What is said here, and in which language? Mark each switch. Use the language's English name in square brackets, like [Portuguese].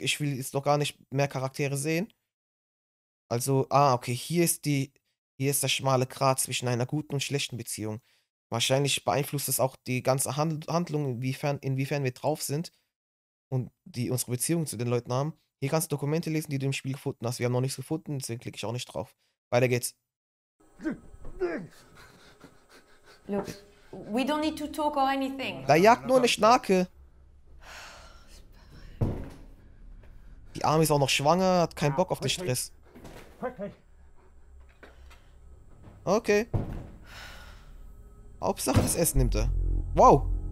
[German] Ich will jetzt noch gar nicht mehr Charaktere sehen. Also, ah, okay, hier ist der schmale Grat zwischen einer guten und schlechten Beziehung. Wahrscheinlich beeinflusst es auch die ganze Handlung, inwiefern wir drauf sind und die unsere Beziehung zu den Leuten haben. Hier kannst du Dokumente lesen, die du im Spiel gefunden hast. Wir haben noch nichts gefunden, deswegen klicke ich auch nicht drauf. Weiter geht's. [English] Look, we don't need to talk or anything. [German] Da jagt nur eine Schnake. Die Arme ist auch noch schwanger, hat keinen Bock auf den Stress. Okay. Hauptsache das Essen nimmt er. Wow.